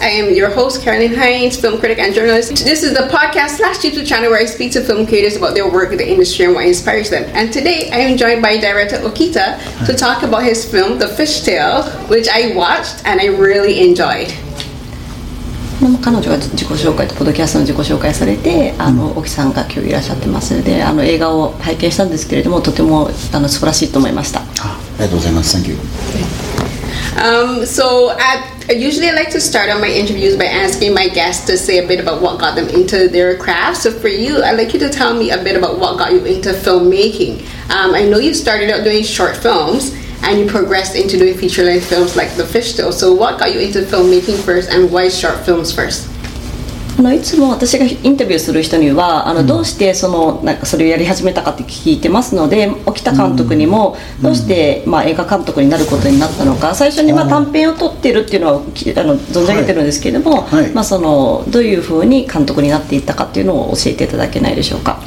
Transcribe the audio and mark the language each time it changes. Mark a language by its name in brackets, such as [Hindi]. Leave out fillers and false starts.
[English] I am your host, Carolyn Hines, film critic and journalist. This is the podcast slash YouTube channel where I speak to film creators about their work in the industry and what inspires them. And today, I am joined by director Okita to talk about his film, The Fish Tale, which I watched and I really enjoyed. [Japanese] でも彼女は自己紹介とポッドキャストの自己紹介されて、あの、奥さんが今日いらっしゃってますので、あの、映画を拝見したんですけれども、とても、あの、素晴らしいと思いました。ありがとうございます。 [English] Thank you. So I usually like to start on my interviews by asking my guests to say a bit about what got them into their craft. So for you, I'd like you to tell me a bit about what got you into filmmaking. I know you started out doing short films and you progressed into doing feature length films like The Fish Tale. So what got you into filmmaking first and why short films first? [Japanese] いつも私がインタビューする人にはあのどうしてそのなんかそれをやり始めたかって聞いてますので沖田監督にもどうしてまあ映画監督になることになったのか最初にまあ短編を撮ってるっていうのはあの存じ上げてるんですけれども、はいはいまあ、そのどういうふうに監督になっていったかっていうのを教えていただけないでしょうか。